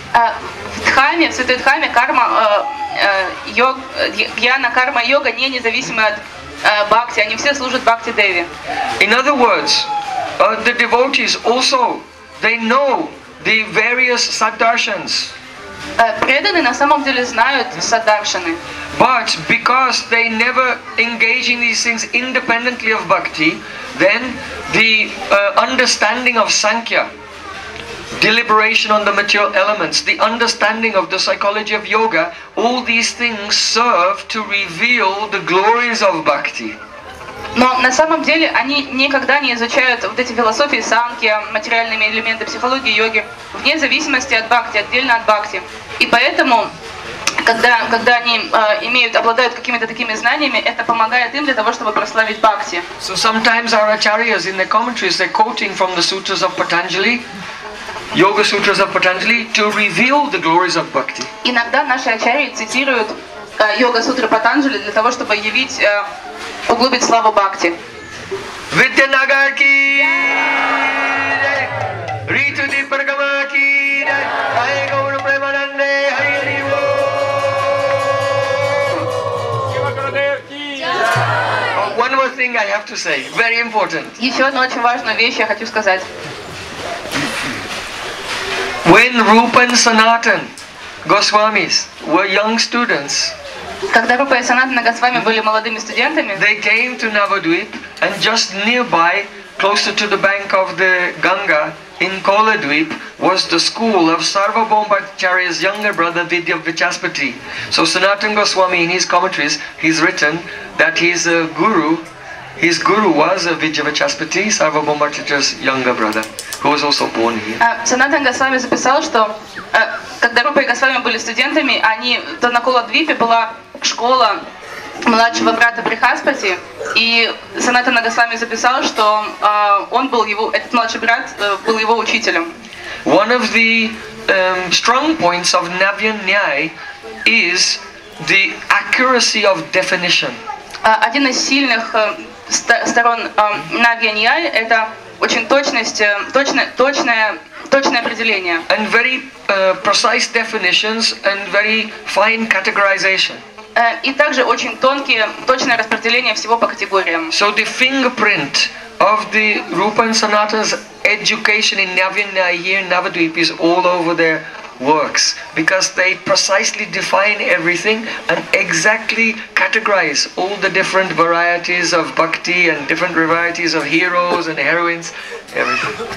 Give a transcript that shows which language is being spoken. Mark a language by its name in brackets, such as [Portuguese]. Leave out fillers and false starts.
[Russian] В святой Дхаме карма, гьяна, карма, йога не независимы от бхакти. Они все служат Бхакти Деви. [English] In other words, the devotees also, they know the various saddarshans. [Russian] Преданные на самом деле знают саддаршаны. [English] But because they never engage in these things independently of bhakti, then the understanding of sankhya, deliberation on the material elements, the understanding of the psychology of yoga, all these things serve to reveal the glories of bhakti. [Russian] Но на самом деле они никогда не изучают вот эти философии санкья, материальные элементы психологии йоги, вне зависимости от бхакти, отдельно от бхакти. И поэтому, когда они обладают какими-то такими знаниями, это помогает им для того, чтобы прославить бхакти. [English] So sometimes our acharyas in their commentaries, they're quoting from the sutras of Patanjali, yoga sutras of Patanjali, to reveal the glories of bhakti. [Russian] Иногда наши ачарьи цитируют йога сутры Патанджали для того, чтобы явить углубить славу бхакти. Витя нагаки риту дипаргамаки хай гауру преманде хари хари бол шивакрадевки. [English] One more thing I have to say, very important. [Russian] Еще одна очень важная вещь я хочу сказать. [English] When Rupa and Sanatan Goswamis were young students, [Russian] когда Рупа и Санатана Госвами были молодыми студентами, [English] they came to Navadvip, and just nearby, closer to the bank of the Ganga, in Koladvip, was the school of Sarvabhaum Bhattacharya's younger brother, Vidyavachaspati. So Sanatana Goswami, in his commentaries, he's written that his guru was a Vidyavachaspati, Sarvabhaum Bhattacharya's younger brother, who was also born here. [Russian] Sanatana Goswami записал, что когда Рупа и Госвами были студентами, они то на Коладвипе была школа младшего брата Брихаспати, и Санатана Госвами записал, что этот младший брат был его учителем. [English] One of the strong points of Navyan Nyay is the accuracy of definition. [Russian] Один из сильных сторон Навьяньяй – это очень точное определение. [English] And very precise definitions and very fine categorization. [Russian] И также очень тонкие, точное распределение всего по категориям. [English] So the fingerprint of the Rupa and Sanatana's education in Navyanyaya here in Navadvip is all over their works, because they precisely define everything and exactly categorize all the different varieties of bhakti and different varieties of heroes and heroines, everything.